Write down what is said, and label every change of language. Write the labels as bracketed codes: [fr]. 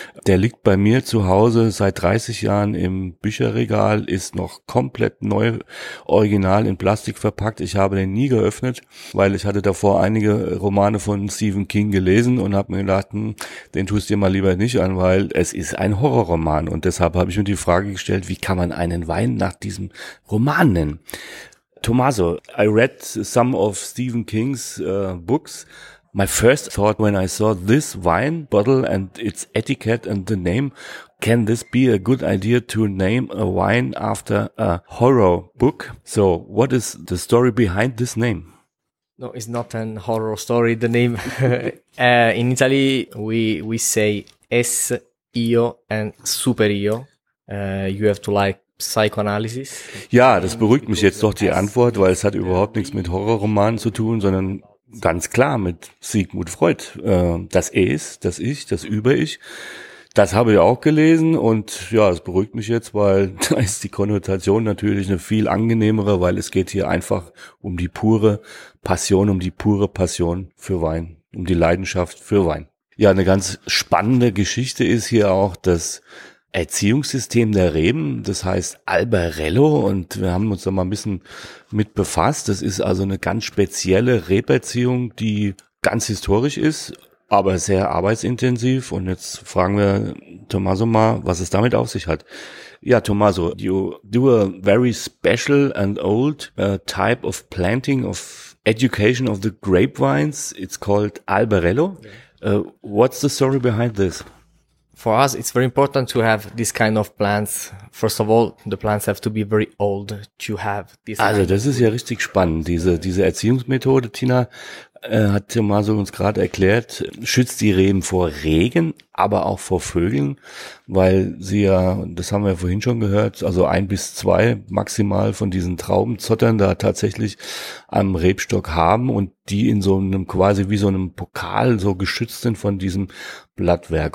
[de] Der liegt bei mir zu Hause seit 30 Jahren im Bücherregal, ist noch komplett neu, original in Plastik verpackt. Ich habe den nie geöffnet, weil ich hatte davor einige Romane von Stephen King gelesen und habe mir gedacht, den tust du dir mal lieber nicht an, weil es ist ein Horrorroman. Und deshalb habe ich mir die Frage gestellt, wie kann man einen Wein nach diesem Roman nennen? [en] Tommaso, I read some of Stephen King's books. My first thought when I saw this wine bottle and its etiquette and the name, can this be a good idea to name a wine after a horror book? So what is the story behind this name? No, it's not a horror story, the name. In Italy, we say S. Io and Super Io. You have to like psychoanalysis. [de] Ja, das beruhigt mich jetzt doch, die Antwort, weil es hat überhaupt nichts mit Horrorromanen zu tun, sondern ganz klar mit Sigmund Freud. Das Es, das Ich, das Über-Ich, das habe ich auch gelesen, und ja, es beruhigt mich jetzt, weil da ist die Konnotation natürlich eine viel angenehmere, weil es geht hier einfach um die pure Passion, um die pure Passion für Wein, um die Leidenschaft für Wein. Ja, eine ganz spannende Geschichte ist hier auch das Erziehungssystem der Reben, das heißt Albarello, und wir haben uns da mal ein bisschen mit befasst. Das ist also eine ganz spezielle Reberziehung, die ganz historisch ist, aber sehr arbeitsintensiv, und jetzt fragen wir Tommaso mal, was es damit auf sich hat. [en] Ja, Tommaso, you do a very special and old type of planting of education of the grapevines, it's called Albarello. Yeah. What's the story behind this? For us, it's very important to have this kind of plants. First of all, the plants have to be very old to have this. [de] Also, das ist ja richtig spannend. Diese Erziehungsmethode, Tina, hat Tommaso uns gerade erklärt, schützt die Reben vor Regen, aber auch vor Vögeln, weil sie ja, das haben wir vorhin schon gehört, also 1 bis 2 maximal von diesen Traubenzottern da tatsächlich am Rebstock haben und die in so einem, quasi wie so einem Pokal so geschützt sind von diesem Blattwerk.